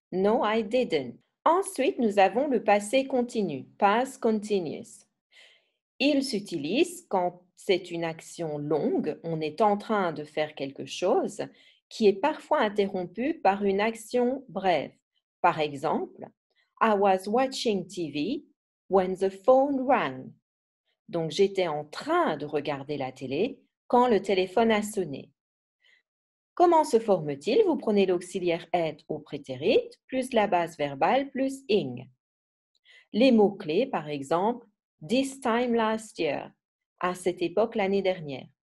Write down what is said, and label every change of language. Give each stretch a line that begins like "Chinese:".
English: No, I didn't.
French: Ensuite, nous avons le passé continu, past continuous. Il s'utilise quand c'est une action longue, on est en train de faire quelque chose qui est parfois interrompu par une action brève. Par exemple,
English: I was watching TV when the phone rang.
French: Donc, j'étais en train de regarder la télé quand le téléphone a sonné. Comment se forme-t-il? Vous prenez l'auxiliaire at au prétérit, plus la base verbale, plus ing. Les mots-clés, par exemple,
English: this time last year,
French: à cette époque l'année dernière.